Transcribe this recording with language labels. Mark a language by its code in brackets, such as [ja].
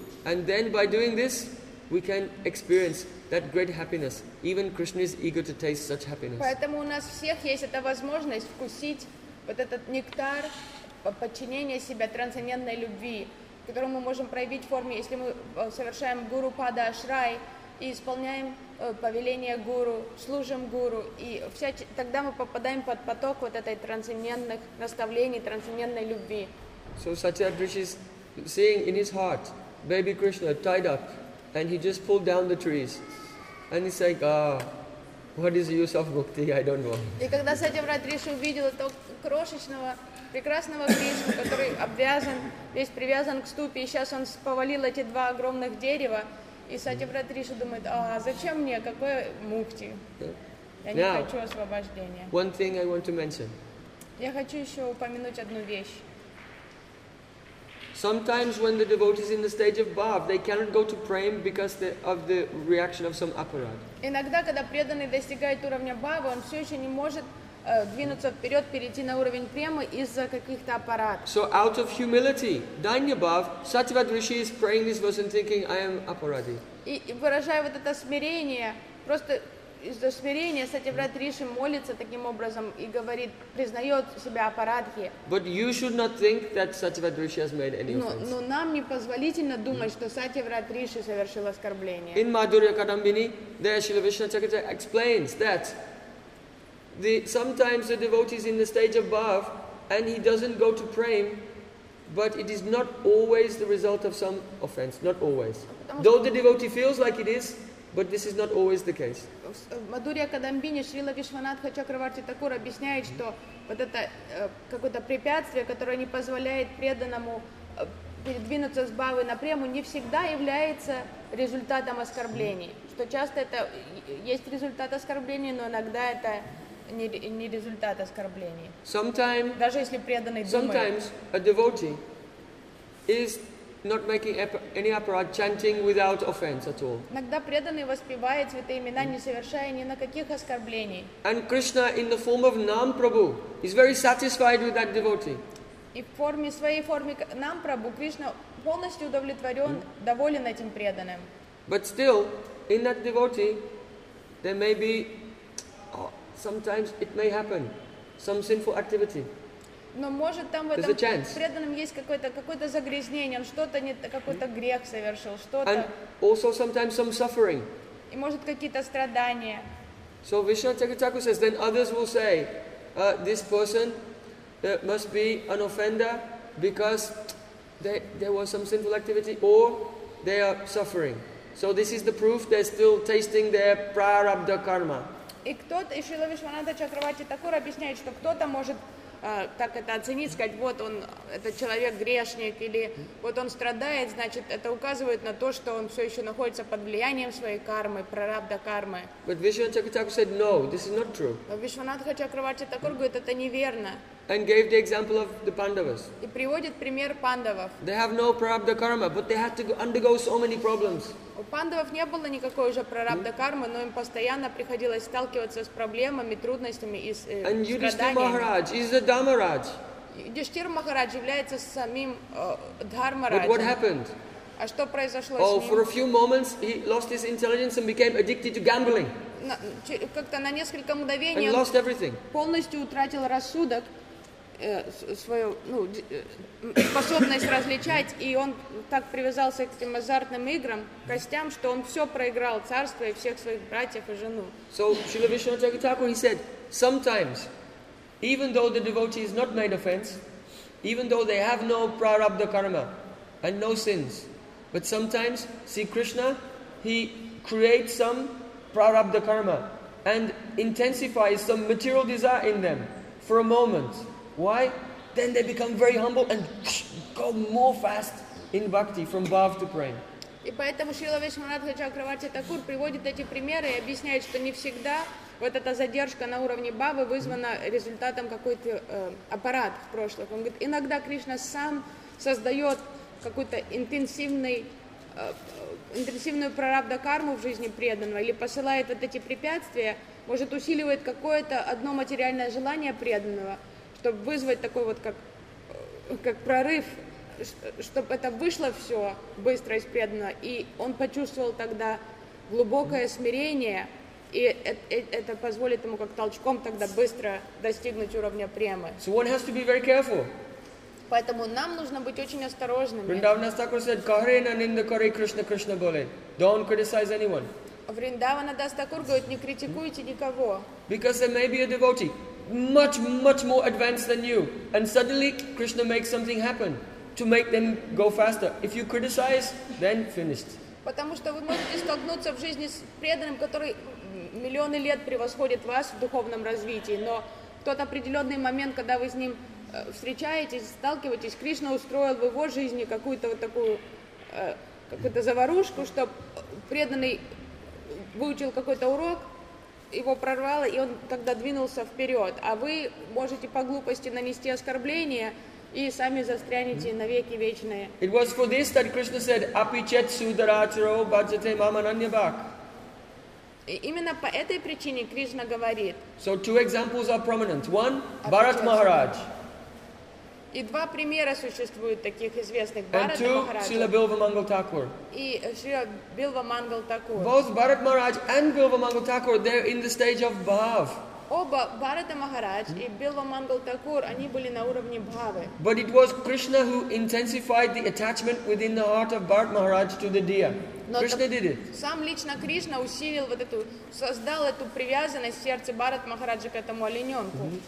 [en] And then by doing this, we can experience that great happiness. Even Krishna is eager to taste such happiness. [ru] Поэтому у нас всех есть эта возможность вкусить вот этот нектар подчинения себя трансцендентной любви, которую мы можем проявить в форме, если мы совершаем Гурупада Ашрай, и исполняем повеление гуру, служим гуру, и тогда мы попадаем под поток вот этой трансцендентных наставлений, трансцендентной любви. [en] So Satyat Rishi is seeing in his heart baby Krishna tied up, and he just pulled down the trees, and he's like, what is the use of bhakti? I don't know. [ru] И когда Сатьяврат Риши увидел этого крошечного прекрасного Кришну, который обвязан, весь привязан к ступе, и сейчас он повалил эти два огромных дерева, и Сатьяврат Риши думает, зачем мне, какое мукти? Я не хочу освобождения. [en] One thing I want to mention. [ru] Я хочу еще упомянуть одну вещь. [en] Sometimes when the devotee is in the stage of bhav, they cannot go to prem because of the reaction of some aparad. [ru] Иногда, когда преданный достигает уровня бхавы, он все еще не может двинуться вперед, перейти на уровень премы из-за каких-то аппарат. [en] So out of humility, Danya Bhav, Satyavad Rishi is praying this verse and thinking, I am aparadi. [ru] И выражая вот это смирение, просто из-за смирения Сатьяврат Риши молится таким образом и говорит, признает себя аппаратхи. [en] But you should not think that Satyavad Rishi has made any offense. [ru] Но нам не позволительно думать, что Сатьяврат Риши совершил оскорбление. [en] In Madhurya Kadambini, there Śrīla Viṣṇu Cakṛtya explains that sometimes the devotee is in the stage of bhav and he doesn't go to prem, but it is not always the result of some offense, not always. Though the devotee feels like it is, but this is not always the case. [ru] В Мадурья Кадамбине Шрила Вишванатха Чакраварти Такур объясняет, что вот это какое-то препятствие, которое не позволяет преданному передвинуться с бхавы на прему, не всегда является результатом оскорблений. Что часто это есть результат оскорблений, но иногда это не результат оскорблений. [en] Sometimes, [ru] даже если преданный думает. [en] Sometimes a devotee is not making any aparad, chanting without offense at all. [ru] Иногда преданный воспевает святые имена, не совершая ни на каких оскорблений. [en] And Krishna, in the form of Nam Prabhu, is very satisfied with that devotee. [ru] И в форме своей формы Нам Прабху Кришна полностью удовлетворен, доволен этим преданным. [en] But still, in that devotee, there may be sometimes it may happen, some sinful activity. [ru] Но может там в этом преданном есть какое-то загрязнение, он что-то не какой-то грех совершил, что-то. [en] And also sometimes some suffering. [ru] И может какие-то страдания. [en] So Vishnu Chakrataku says, then others will say, this person must be an offender because there was some sinful activity or they are suffering. So this is the proof they're still tasting their prarabdha karma. [ru] И кто-то, и Шрила Вишванатха Чакраварти Такур объясняет, что кто-то может так это оценить, сказать, вот он, этот человек грешник, или вот он страдает, значит, это указывает на то, что он все еще находится под влиянием своей кармы, прарабдха кармы. [en] But Vishwanatha Chakravarti said, no, this is not true. [ru] Но Вишванатха Чакраварти Такур говорит, это неверно. [en] And gave the example of the Pandavas. [ru] И приводит пример пандавов. [en] They have no prarabdha karma, but they had to undergo so many problems. [ru] У пандавов не было никакой уже прарабдха кармы, но им постоянно приходилось сталкиваться с проблемами, трудностями и страданиями. [en] And Yudhishthira Maharaj is a Dharmaraj. [ru] Yudhishthir Maharaj является самим Дхармараджем. [en] But what happened? [ru] А что произошло с ним? [en] Oh, for a few moments he lost his intelligence and became addicted to gambling. [ru] Как-то на несколько мгновений. [en] And lost everything. [ru] Полностью утратил рассудок. Свою способность различать, и он так привязался к этим азартным играм, костям, что он все проиграл, царство и всех своих братьев и жену. [en] So Śrīla Viṣṇu Cakṛtya Thakura, he said, sometimes, even though the devotee is not made offense, even though they have no prarabdha karma and no sins, but sometimes, see Krishna, he creates some prarabdha karma and intensifies some material desire in them for a moment. Why? Then they become very humble and go more fast in bhakti from bhav to prem. [ru] И поэтому Шрила Вишванатха Чакраварти Такур приводит эти примеры и объясняет, что не всегда вот эта задержка на уровне бхавы вызвана результатом какой-то аппарат в прошлом. Он говорит, иногда Кришна сам создает какую-то интенсивную прарабдха карму в жизни преданного или посылает вот эти препятствия, может усиливает какое-то одно материальное желание преданного, чтобы вызвать такой вот как прорыв, чтобы это вышло все быстро и преданно, и он почувствовал тогда глубокое смирение, и это позволит ему как толчком тогда быстро достигнуть уровня премы. [en] So one has to be very careful. [ru] Поэтому нам нужно быть очень осторожными. [en] Vrindavanas Thakur said, [bn] Kahre na ninda kare Krishna Krishna bole. [en] Don't criticize anyone. [ru] Вриндавана Дас Такур говорит, не критикуйте никого. [en] Because there may be a devotee much, much more advanced than you. And suddenly Krishna makes something happen to make them go faster. If you criticize, then finished. [ru] Потому что вы можете столкнуться в жизни с преданным, который миллионы лет превосходит вас в духовном развитии, но в тот определенный момент, когда вы с ним встречаетесь, сталкиваетесь, Кришна устроил в его жизни какую-то вот такую какую-то заварушку, что преданный выучил какой-то урок, его прорвало, и он тогда двинулся вперед. А вы можете по глупости нанести оскорбление и сами застрянете навеки вечные. [en] It was for this that Krishna said, [sa] Apichet sudaracharo bhajate mamananyabhak. [ru] И именно по этой причине Кришна говорит. [en] So two examples are prominent. One, Bharat Maharaj. [ru] И два примера существуют таких известных. [en] Bharat and two, Srila Bilva Mangal Thakur. [ru] И Srila Bilva Mangal Thakur. [en] Both Bharat Maharaj and Bilva Mangal Thakur, they're in the stage of bhav. [ru] Оба Bharat Maharaj и Bilva Mangal Thakur, они были на уровне бхавы. [en] But it was Krishna who intensified the attachment within the heart of Bharat Maharaj to the deer. Krishna did it. [ru] Сам лично Кришна усилил вот эту, создал эту привязанность в сердце Bharat Maharaja к этому олененку.